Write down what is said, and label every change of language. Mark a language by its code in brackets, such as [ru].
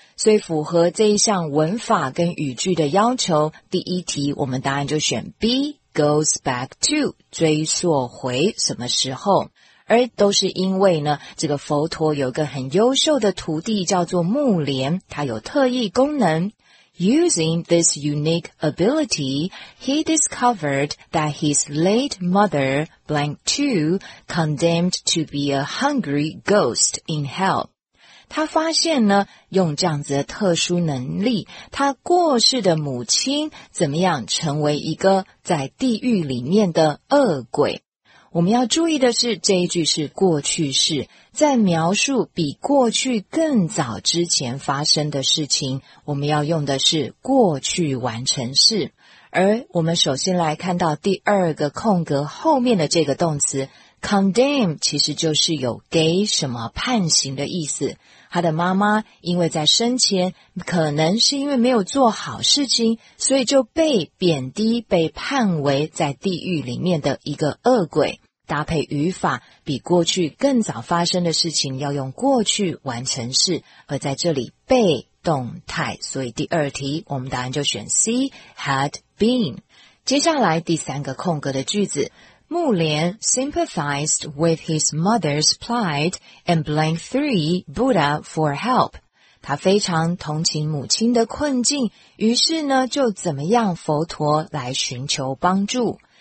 [zh] 所以符合这一项文法跟语句的要求，第一题我们答案就选 B。 [en] goes back to, [zh] 追溯回什么时候。而都是因为呢，这个佛陀有个很优秀的徒弟叫做木莲，他有特异功能。 [en] Using this unique ability, he discovered that his late mother, blank two, condemned to be a hungry ghost in hell. [zh] 他发现呢，用这样子的特殊能力，他过世的母亲怎么样成为一个在地狱里面的恶鬼。我们要注意的是，这一句是过去式，在描述比过去更早之前发生的事情，我们要用的是过去完成式。而我们首先来看到第二个空格后面的这个动词condemn 其实就是有给什么判刑的意思。他的妈妈因为在生前可能是因为没有做好事情，所以就被贬低，被判为在地狱里面的一个恶鬼。搭配语法，比过去更早发生的事情要用过去完成式，而在这里被动态，所以第二题我们答案就选 C had been。接下来第三个空格的句子， [en] 木莲 sympathized with his mother's plight and blank three Buddha for help. [zh] 他非常同情母亲的困境，于是呢就怎么样佛陀来寻求帮助。